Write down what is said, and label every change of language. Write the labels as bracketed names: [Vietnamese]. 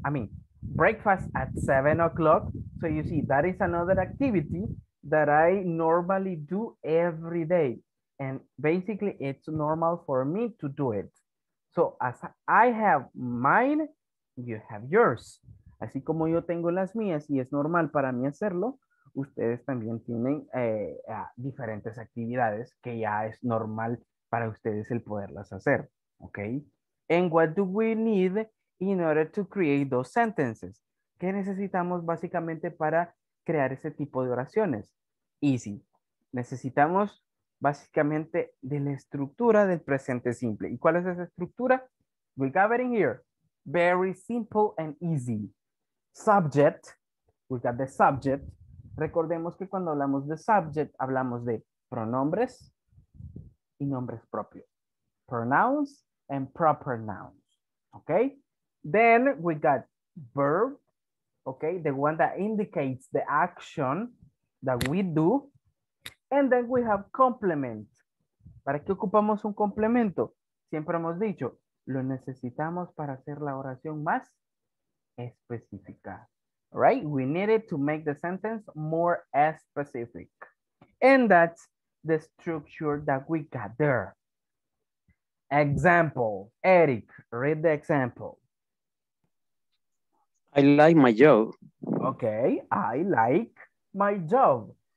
[English] I mean, breakfast at 7 o'clock. So you see, that is another activity that I normally do every day. And basically it's normal for me to do it. So as I have mine, you have yours. [Spanish] Así como yo tengo las mías y es normal para mí hacerlo, ustedes también tienen diferentes actividades que ya es normal para ustedes el poderlas hacer, okay? [English] And what do we need in order to create those sentences? [Spanish] ¿Qué necesitamos básicamente para crear ese tipo de oraciones? [English] Easy. [Spanish] Necesitamos básicamente de la estructura del presente simple. ¿Y cuál es esa estructura? [English] We got it in here. Very simple and easy. Subject. We got the subject. [Spanish] Recordemos que cuando hablamos de subject, hablamos de pronombres y nombres propios. [English] Pronouns and proper nouns. Okay? Then we got verb. Okay? The one that indicates the action that we do. And then we have complement. [Spanish] ¿Para qué ocupamos un complemento? Siempre hemos dicho, lo necesitamos para hacer la oración más específica. [English] Right? We need it to make the sentence more specific. And that's the structure that we got there. Example. Eric, read the example. I like my job. Okay. I like my job.